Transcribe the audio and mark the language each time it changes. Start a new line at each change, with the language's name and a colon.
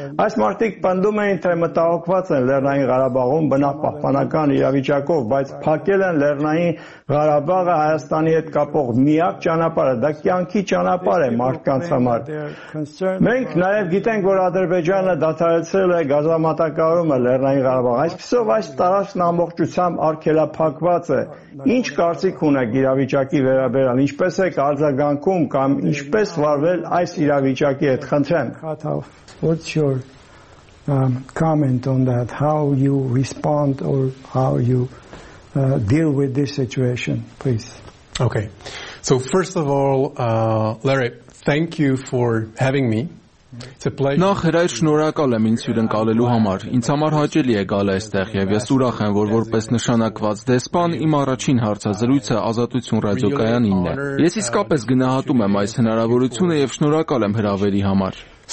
Armenian: Այս մարդիկ պնդում էին, թե մտահոգված են Լեռնային Ղարաբաղում բնավ պահպանական իրավիճակով, բայց փակել են Լեռնային Ղարաբաղը Հայաստանի հետ կապող միակ ճանապարհը, դա կյանքի ճանապարհ է մարդկանց համար։ Մենք նաև գիտենք, որ Ադրբեջանը դադարեցրել է գազամատակարարումը Լեռնային Ղարաբաղ, այսպիսով այս տարածքն ամբողջությամբ արգելափակված է։ Ինչ կարծիք ունեք իրավիճակի վերաբերյալ, ինչպես եք արձագանքում կամ ինչպես վարվել այս իրավիճակի հետ, խնդրեմ։
English: What's your comment on that? How you respond or how you deal with this situation, please? Okay. So first of all, Larry, thank you for having me.
Armenian: Նախ հրայր շնորհակալ եմ ինձ հյուրընկալելու համար։ Ինձ համար հաճելի է գալ այստեղ, եւ ես ուրախ եմ, որ որպես նշանակված դեսպան իմ առաջին հարցազրույցը Ազատություն ռադիոկայանինն է։ Ես իսկապես գնահատում եմ այս հնարավորությունը եւ շնորհակալ եմ հրավերի համար։